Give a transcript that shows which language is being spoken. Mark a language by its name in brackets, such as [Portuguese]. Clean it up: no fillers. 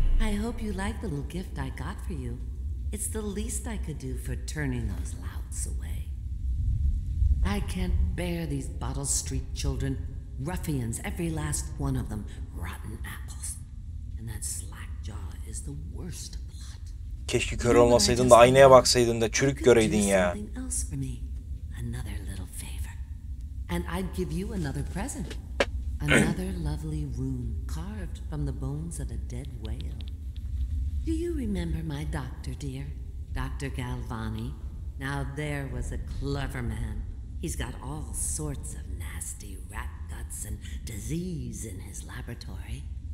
[English] I hope you like the little gift I got for you. It's the least I could do for turning those louts away. I can't bear these Bottle Street children, ruffians, every last one of them, rotten apples. And that slack jaw is the worst of the lot. [Turkish] Keşke kör olmasaydın da aynaya baksaydın da çürük göreydin ya. [English] Something else for me, another little favor. And I'd give you another present. Another lovely rune carved from the bones of a dead whale. Do you remember my doctor, dear? Dr. Galvani? Now there was a clever man. He's got all sorts of nasty rat guts and disease in his laboratory.